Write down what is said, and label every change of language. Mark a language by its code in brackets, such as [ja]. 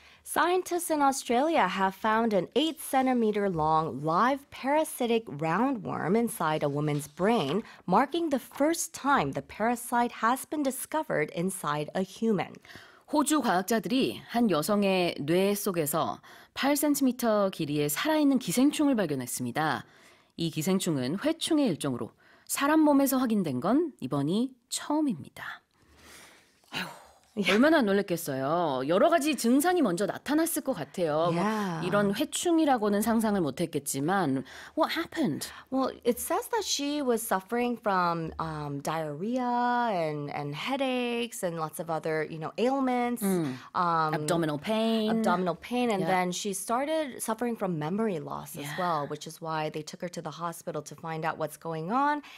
[en] Scientists in Australia have found an 8-centimeter-long live parasitic roundworm inside a woman's brain, marking the first time the parasite has been discovered inside a human. [ko] 호주 과학자들이 한 여성의 뇌 속에서 8cm 길이의 살아있는 기생충을 발견했습니다. 이 기생충은 회충의 일종으로 사람 몸에서 확인된 건 이번이 처음입니다. 얼마나 놀랬겠어요. 여러 가지 증상이 먼저 나타났을 것 같아요. Yeah. 뭐 이런 회충이라고는 상상을 못했겠지만 What happened? [en] Well, it says that she was suffering from diarrhea and headaches and lots of other, you know, ailments. Abdominal pain. Abdominal pain. And yeah. then she started suffering from memory loss as yeah. well, which is why they took her to the hospital to find out what's going on.